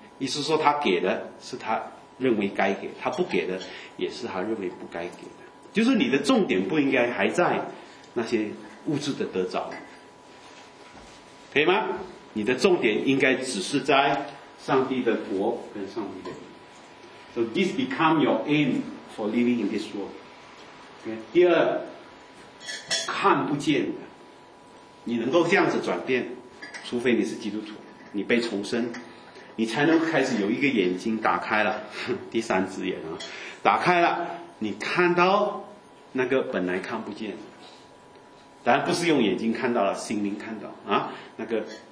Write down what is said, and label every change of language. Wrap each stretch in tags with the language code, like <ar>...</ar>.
<zh>意思说他给的是他认为该给，他不给的也是他认为不该给的，就是你的重点不应该还在那些物质的得着，可以吗？你的重点应该只是在上帝的国跟上帝的义。</zh> <en>So this become your aim for living in this world. Okay.</en> <zh>第二，看不见的，你能够这样子转变，除非你是基督徒，你被重生，你才能开始有一个眼睛打开了，第三只眼啊，打开了，你看到那个本来看不见的，当然不是用眼睛看到了，心灵看到啊，那个。</zh>